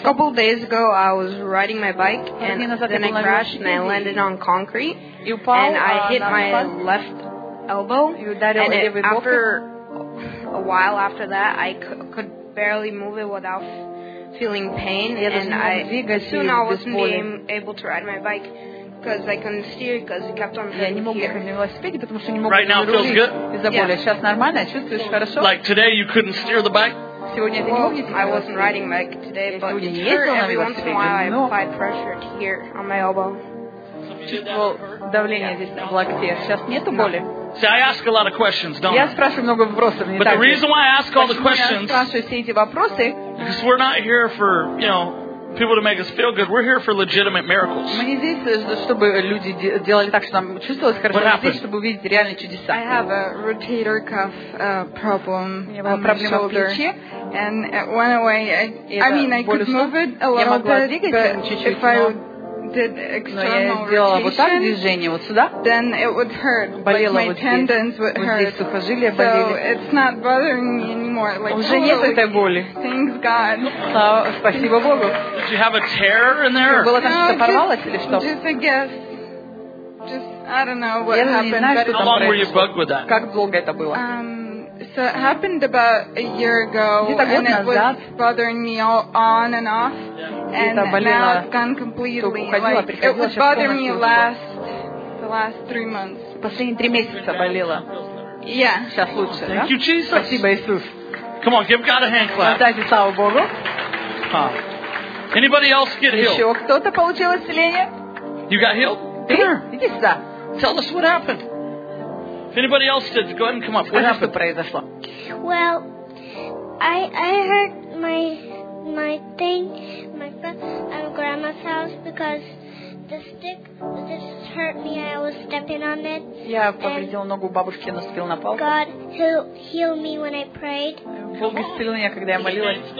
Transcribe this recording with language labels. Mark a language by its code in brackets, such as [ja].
[en] A couple days ago, I was riding my bike, and then I crashed, and I landed on concrete, and I hit my left elbow, and after a while after that, I could barely move it without feeling pain, and soon I wasn't able to ride my bike. Because I couldn't steer, because it kept on hitting here. Right now it feels good? Yeah. [ru] Сейчас нормально, чувствуешь хорошо? [en] Like today you couldn't steer the bike? I wasn't riding bike today, but here, every once in a while, I apply pressure here on my elbow. So [ru] давление здесь на локте. Сейчас нету боли? [en] See, I ask a lot of questions, don't I? But the reason why I ask all the questions, because we're not here for, you know, people to make us feel good. We're here for legitimate miracles. [ru] Мы не здесь, чтобы люди делали так, чтобы нам чувствовалось хорошо. [en] What happened? [ru] Чтобы увидеть реальные чудеса. [en] I have a rotator cuff problem on my shoulder. And it went away. I could move it a little bit, but if I did external rotation, then it would hurt. Like my tendons would hurt. So it's not bothering me anymore. [ru] Уже нет этой боли. [en] Thanks God. [ru] Спасибо Богу. [en] Did you have a tear in there? [ru] Было там что-то порвалось или что? [en] Just a guess. Just I don't know what happened. How long were you bugged with that? [ru] Как долго это было? [en] So it happened about a year ago, and it was bothering me all on and off. And now it's gone completely. Like, it was bothering me the last 3 months. [ru] Последние 3 месяца болело. [en] Yeah. [ru] Сейчас лучше, да? [en] Thank you, Jesus. [ru] Спасибо, Иисус. [en] Come on, give God a hand clap. [ru] Дайте славу Богу. [en] Anybody else get healed? [ru] Еще кто-то получил исцеление? [en] You got healed? [ru] Ты? Иди сюда. [en] Tell us what happened. If anybody else did, go ahead and come up. What happened? Well, I hurt my thing, my at grandma's house because the stick just hurt me. I was stepping on it. [ru] Я повредил ногу бабушки, наступил на палку. [en] God healed me when I prayed. [ru] Бог исцелил меня, когда я молилась.